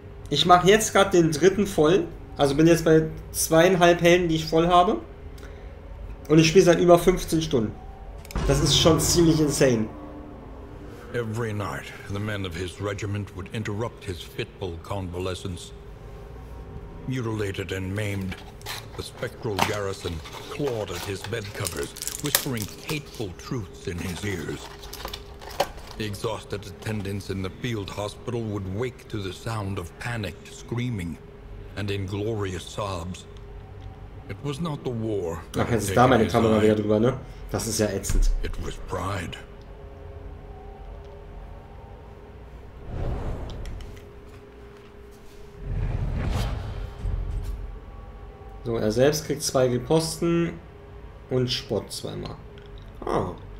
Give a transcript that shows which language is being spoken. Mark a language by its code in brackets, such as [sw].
[de] Ich mache jetzt gerade den dritten voll. Also bin jetzt bei 2,5 Helden, die ich voll habe. Und ich spiele seit über 15 Stunden. Das ist schon ziemlich insane. [en] Every night, the men of his regiment would interrupt his fitful convalescence. Mutilated and maimed, the spectral garrison clawed at his bed covers, whispering hateful truths in his ears. The exhausted attendants in the field hospital would wake to the sound of panicked screaming and inglorious sobs. It was not the war. [de] Ach, jetzt ist da meine Kamera wieder drüber, ne? Das ist ja ätzend. [en] It was pride. [de] So, er selbst kriegt 2 Riposten und Spott 2-mal. Ah.